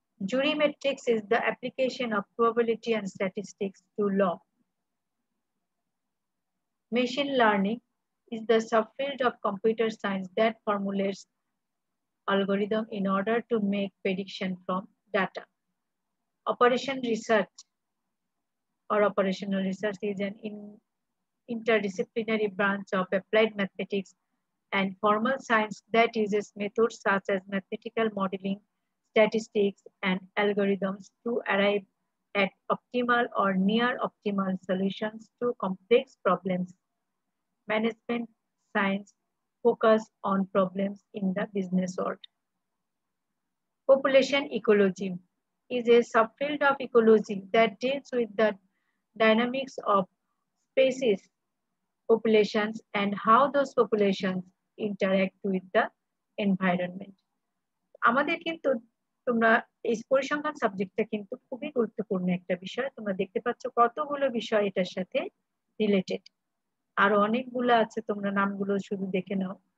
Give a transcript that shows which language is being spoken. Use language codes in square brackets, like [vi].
[en] Jurimetrics is the application of probability and statistics to law. Machine learning is the subfield of computer science that formulates algorithm in order to make prediction from data. Operation research or operational research is an interdisciplinary branch of applied mathematics and formal science that uses methods such as mathematical modeling, statistics and algorithms to arrive at optimal or near optimal solutions to complex problems. Management science focuses on problems in the business world. Population ecology is a subfield of ecology that deals with the dynamics of species populations and how those populations interact with the environment. [bn] আমাদের কিন্তু তোমরা এই পরিসংখ্যান সাবজেক্টটা কিন্তু খুবই গুরুত্বপূর্ণ একটা বিষয়, তোমরা দেখতে পাচ্ছ কতগুলো বিষয় এটার সাথে রিলেটেড, আরো অনেকগুলো আছে, তোমরা নামগুলো শুধু দেখে নাও।